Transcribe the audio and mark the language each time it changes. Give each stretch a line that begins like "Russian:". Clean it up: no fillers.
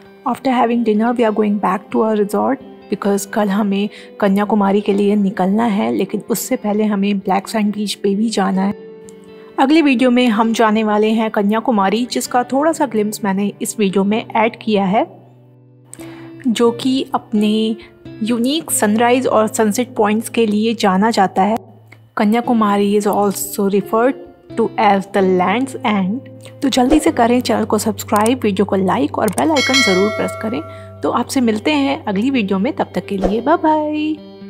English: After having dinner, we are going back to our resort because
Hindi: कल हमें कन्याकुमारी के लिए निकलना है, लेकिन उससे पहले हमें ब्लैक सैंड बीच पे भी जाना है। अगले वीडियो में हम जाने वाले हैं कन्याकुमारी, जिसका थोड़ा सा ग्लिम्स मैंने इस वीडियो में ऐड किया है, जो कि अपने यूनिक सनराइज और सनसेट पॉइंट्स के लिए जाना जाता है।
English: Kanyakumari is also referred to as the lands end।
Hindi: तो जल्दी से करें चैनल को सब्सक्राइब, वीडियो को लाइक और बेल आइकन ज़रूर प्रेस करें। तो आपसे मिलते हैं अगली वीडियो में, तब तक के लिए बाय बाय।